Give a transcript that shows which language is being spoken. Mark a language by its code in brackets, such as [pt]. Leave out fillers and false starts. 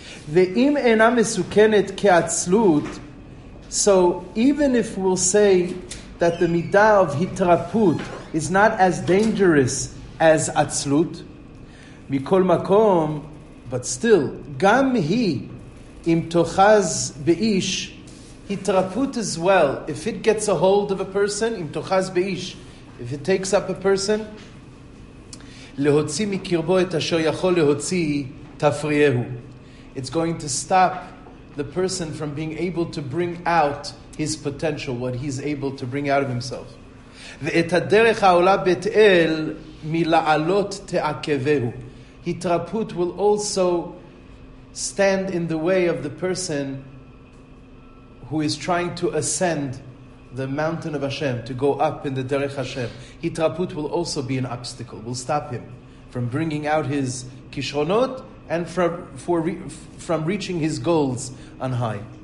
[he] Ve'im ena mesukenet ke'atzlut, [en] so even if we'll say that the midah of hitraput is not as dangerous as atzlut, mikol makom, but still, [he] gam hi im tochaz be'ish, [en] hitraput as well, if it gets a hold of a person, im tochaz be'ish, if it takes up a person, [he] להוציא מקרבו את אשר יכול להוציא תפריהו. [en] It's going to stop the person from being able to bring out his potential, what he's able to bring out of himself. [he] ואת הדרך העולה בית אל מלעלות תעכבהו. [en] התרפות will also stand in the way of the person who is trying to ascend the mountain of Hashem, to go up in the Derech Hashem. Hitraput will also be an obstacle, will stop him from bringing out his kishronot and from reaching his goals on high.